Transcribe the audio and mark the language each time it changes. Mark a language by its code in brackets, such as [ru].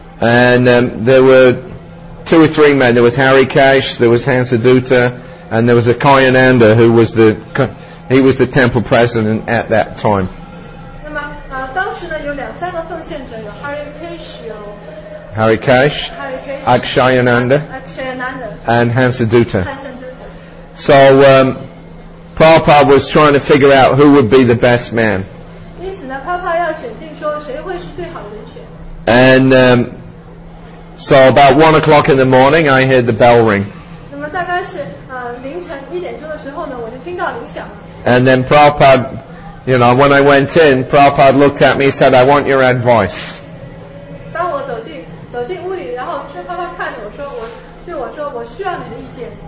[en] And there were two or three men. There was Hari Kesh, there was Hansadutta, and there was a Kayananda who was the temple president at that time. [zh] 那么当时呢有两三个奉献者，有 Hari Kesh， 有 Hari Kesh， Akshayananda， [en] and Hansadutta. So Prabhupada was trying to figure out who would be the best man. [zh] 因此呢，帕帕要选定说谁会是最好的人选。 [en] And So about 1 o'clock in the morning, I heard the bell ring. [zh] 那么大概是凌晨一点钟的时候呢，我就听到铃响了。 [en] And then Prabhupada, you know, when I went in, Prabhupada looked at me and said, "I want your advice." [zh] 当我走进屋里，然后薛帕帕看着我说，对我说，我需要你的意见。